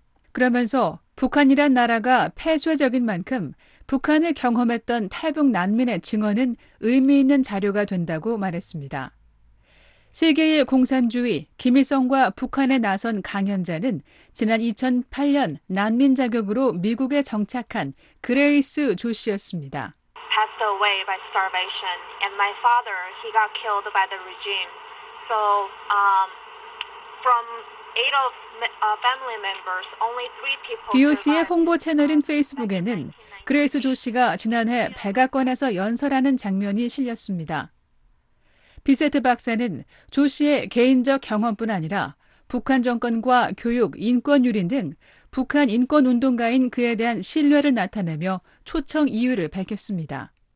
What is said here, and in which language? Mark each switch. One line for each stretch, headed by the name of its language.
Korean: 그러면서 북한이란 나라가 폐쇄적인 만큼 북한을 경험했던 탈북 난민의 증언은 의미 있는 자료가 된다고 말했습니다. 세계의 공산주의, 김일성과 북한에 나선 강연자는 지난 2008년 난민 자격으로 미국에 정착한 그레이스 조씨였습니다.
English: Passed away by starvation and my father, he got killed by the regime. So from eight of family members, only three people survived.
Korean: BOC의 홍보 채널인 페이스북에는 그레이스 조씨가 지난해 백악관에서 연설하는 장면이 실렸습니다. 비세트 박사는 조 씨의 개인적 경험뿐 아니라 북한 정권과 교육, 인권 유린 등 북한 인권 운동가인 그에 대한 신뢰를 나타내며 초청 이유를 밝혔습니다.